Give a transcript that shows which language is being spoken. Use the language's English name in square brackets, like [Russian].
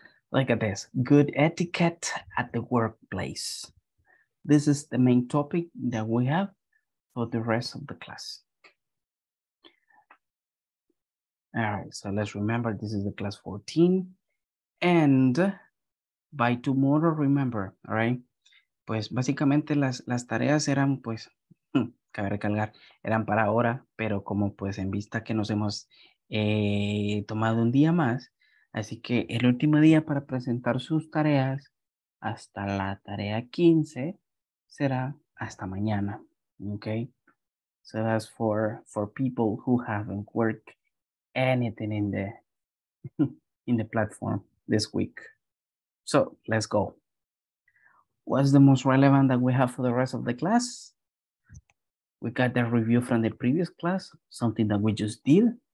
[English] Look at this, good etiquette at the workplace. This is the main topic that we have for the rest of the class. All right, so let's remember, this is the class 14. And by tomorrow, remember, all right? [Spanish] Pues básicamente las tareas eran pues, cabe recalcar, eran para ahora, pero como pues en vista que nos hemos tomado un día más, así que el último día para presentar sus tareas hasta la tarea 15 será hasta mañana, okay? [English] So that's for people who haven't worked anything in the platform this week. So let's go. What's the most relevant that we have for the rest of the class? We got the review from the previous class, something that we just did.